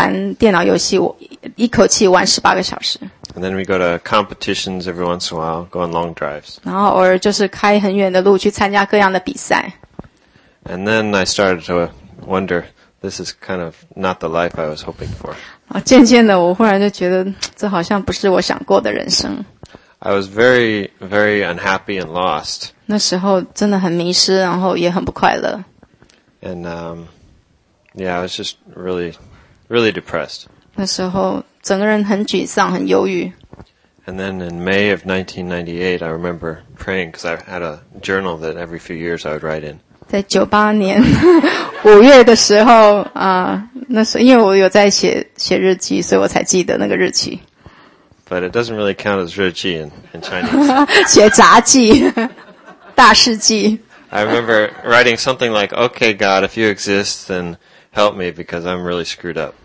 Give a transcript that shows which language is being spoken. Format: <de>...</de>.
<zh>然后每个周末就跟朋友去旅馆在那边玩电脑游戏，一口气玩18个小时。</zh> <en>And then we go to competitions every once in a while, go on long drives.</en> <zh>然后偶尔就是开很远的路去参加各样的比赛。</zh> <en>And then I started to wonder, this is kind of not the life I was hoping for.</en> <zh>渐渐的，我忽然就觉得这好像不是我想过的人生。</zh> <en>I was very, very unhappy and lost.</en> <zh>那时候真的很迷失，然后也很不快乐。</zh> <en>And I was just really, really depressed.</en> <zh>那时候整个人很沮丧，很忧郁。</zh> <en>And then in May of 1998, I remember praying because I had a journal that every few years I would write in.</en> <zh>在98年5月的时候，那时因为我有在写日记，所以我才记得那个日期。</zh> <en>But it doesn't really count as 日记 in Chinese.</en> <zh>写杂记，大事记。</zh> <en>I remember writing something like, "Okay, God, if you exist, then help me because I'm really screwed up.</en>